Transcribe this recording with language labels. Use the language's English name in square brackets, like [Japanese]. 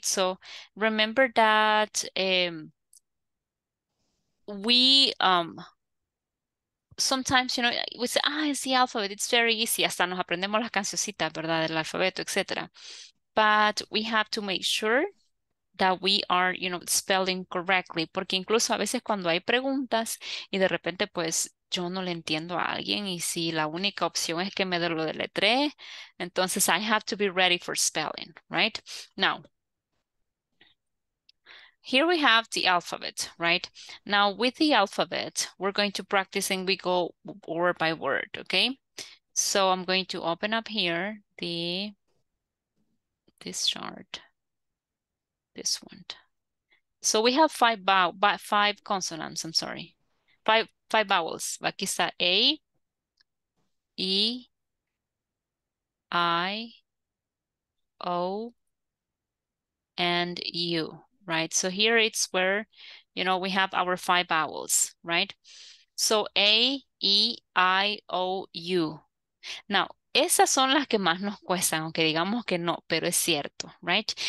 [English] So remember that sometimes, you know, we say, ah, it's the alphabet, it's very easy. [Spanish] Hasta nos aprendemos las cancioncitas, ¿verdad? Del alfabeto, etc. [English] But we have to make sure that we are, you know, spelling correctly. [Spanish] Porque incluso a veces cuando hay preguntas y de repente, pues, yo no le entiendo a alguien y si la única opción es que me de lo deletre, entonces [English] I have to be ready for spelling, right? Now, here we have the alphabet, right? Now, with the alphabet, we're going to practice and we go word by word, okay? So I'm going to open up here the this chart. This one. So we have five consonants, I'm sorry. Five vowels. [Spanish] Aquí está [English] A, E, I, O, and U, right? So here it's where, you know, we have our five vowels, right? So A, E, I, O, U. [Spanish] Now, esas son las que más nos cuestan, aunque digamos que no, pero es cierto, right?